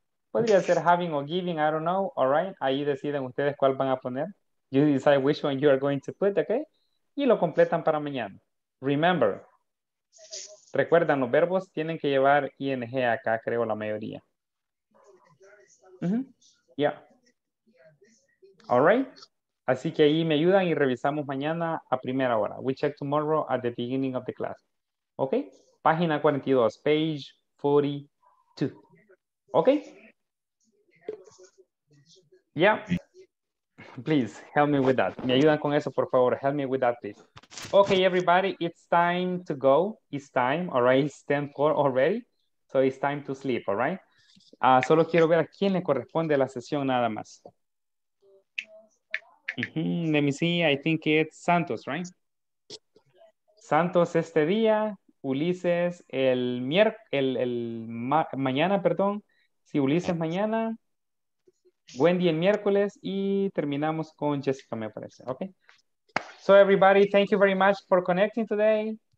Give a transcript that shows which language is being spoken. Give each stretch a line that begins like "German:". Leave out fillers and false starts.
Spanish: Podría ser having o giving,
English: I don't know. All right.
Spanish: Ahí deciden ustedes cuál van a poner.
English: You decide which one you are going to put, okay?
Spanish: Y lo completan para mañana. Remember. Recuerdan, los verbos tienen que llevar ing acá, creo la mayoría. Mm-hmm.
English: Yeah. All right.
Spanish: Así que ahí me ayudan y revisamos mañana a primera hora.
English: We check tomorrow at the beginning of the class. Okay.
Spanish: Página 42,
English: page 42. Okay. Yeah. Please help me with that.
Spanish: Me ayudan con eso, por favor.
English: Help me with that, please. Okay, everybody. It's time to go. It's time. All right. It's 10:04 already. So it's time to sleep. All right.
Spanish: Solo quiero ver a quién le corresponde la sesión nada más. Mm-hmm.
English: Let me see, I think it's Santos, right?
Spanish: Santos este día, Ulises mañana. Sí, Ulises mañana, Wendy el miércoles y terminamos con Jessica, me parece.
English: Okay. So everybody, thank you very much for connecting today.